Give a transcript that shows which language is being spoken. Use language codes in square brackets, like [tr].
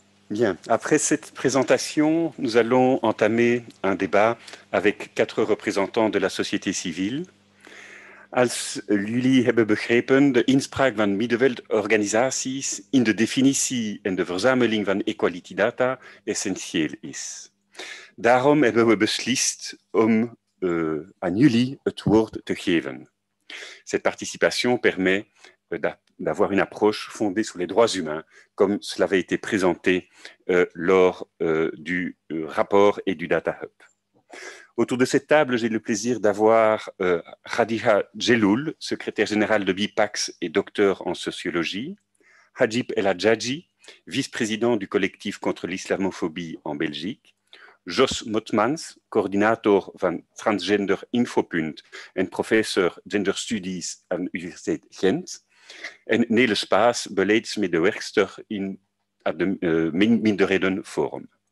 [fr] Bien, après cette présentation, nous allons entamer un débat avec quatre représentants de la société civile. [nl] Als jullie hebben begrepen, de inspraak van middenveldorganisaties in de definitie en de verzameling van equality data essentieel is. Daarom hebben we beslist om aan jullie het woord te geven. [fr] Cette participation permet d'avoir une approche fondée sur les droits humains, comme cela avait été présenté lors du rapport et du Data Hub. Autour de cette table, j'ai le plaisir d'avoir Khadija Djelloul, secrétaire générale de BIPAX et docteur en sociologie, Hajib El Hadjadji, vice-président du collectif contre l'islamophobie en Belgique, Jos Motmans, [nl] coördinator van Transgender Infopunt en professeur Gender Studies aan de Universiteit Gent, en Nele Spaas, beleidsmedewerkster in de Minderheden Forum.